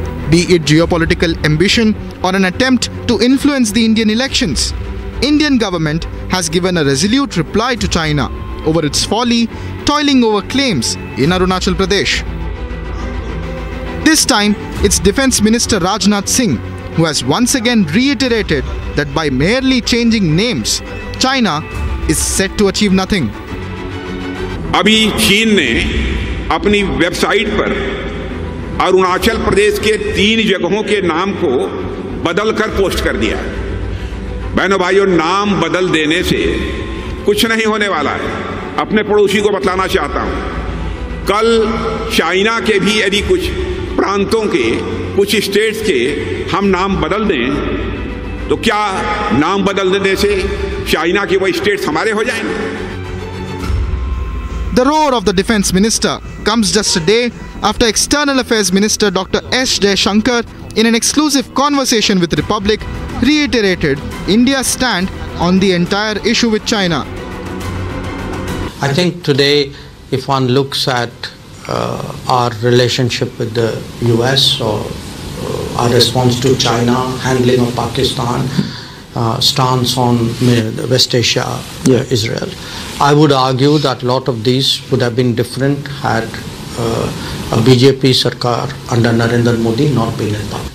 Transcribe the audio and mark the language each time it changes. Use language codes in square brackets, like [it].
[en] Be it geopolitical ambition or an attempt to influence the Indian elections, Indian government has given a resolute reply to China over its folly toiling over claims in Arunachal Pradesh. This time, it's Defence Minister Rajnath Singh who has once again reiterated that by merely changing names, China is set to achieve nothing. [hi] अभी चीन ने अपनी website पर अरुणाचल प्रदेश के तीन जगहों के नाम को बदलकर पोस्ट कर दिया है। बहनों भाइयों, नाम बदल देने से कुछ नहीं होने वाला है। अपने पड़ोसी को बतलाना चाहता हूं, कल चाइना के भी यदि कुछ प्रांतों के, कुछ स्टेट्स के हम नाम बदल दें तो क्या नाम बदल देने से चाइना के वो स्टेट्स हमारे हो जाएंगे? [en] The roar of the defense minister comes just a day after External Affairs Minister Dr. S. Jaishankar, in an exclusive conversation with Republic, reiterated India's stand on the entire issue with China. I think today, if one looks at our relationship with the US or our response to China, handling of Pakistan, stance on West Asia, Israel, I would argue that a lot of these would have been different had a BJP Sarkar under Narendra Modi not been in power.